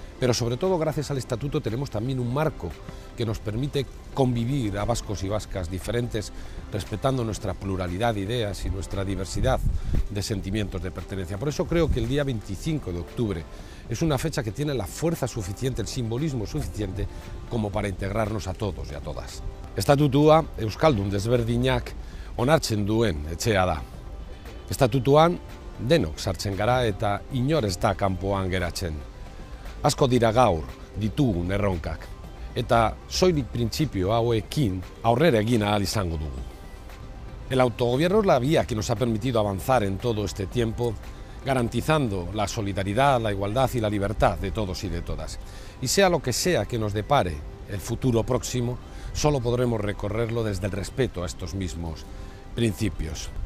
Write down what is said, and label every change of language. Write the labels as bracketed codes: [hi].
[es] Pero sobre todo gracias al Estatuto tenemos también un marco que nos permite convivir a vascos y vascas diferentes, respetando nuestra pluralidad de ideas y nuestra diversidad de sentimientos de pertenencia. Por eso creo que el día 25 de octubre es una fecha que tiene la fuerza suficiente, el simbolismo suficiente, como para integrarnos a todos y a todas. [eu] Estatutua Euskaldun desberdinak onartzen duen etxea da. Estatutuan denok sartzen gara eta inor ez da kanpoan geratzen. Asko dira gaur ditugun erronkak, eta soilik printzipio hauekin aurrera egin ahal izango dugu. [es] El autogobierno es la vía que nos ha permitido avanzar en todo este tiempo, garantizando la solidaridad, la igualdad y la libertad de todos y de todas. Y sea lo que sea que nos depare el futuro próximo, solo podremos recorrerlo desde el respeto a estos mismos principios.